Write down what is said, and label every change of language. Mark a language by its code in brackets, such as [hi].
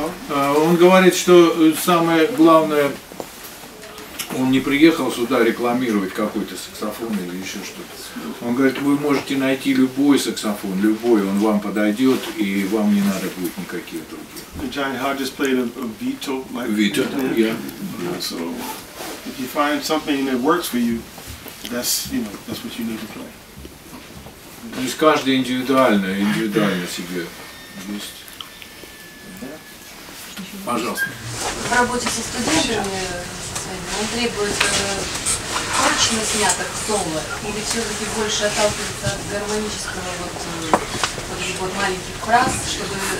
[ru] Он говорит, что самое главное, он не приехал сюда рекламировать какой-то саксофон или еще что-то. Он говорит, вы можете найти любой саксофон, любой, он вам подойдет, и вам не надо будет никаких других. [en] Johnny Hodges played a Vito. Vito, So, if you find something that works for you, that's what you need to play. [ru] То есть каждый индивидуально себе. Есть. Пожалуйста. В работе со студентами он требует точно снятых соло, или все-таки больше отталкивается от гармонического вот маленьких фраз, чтобы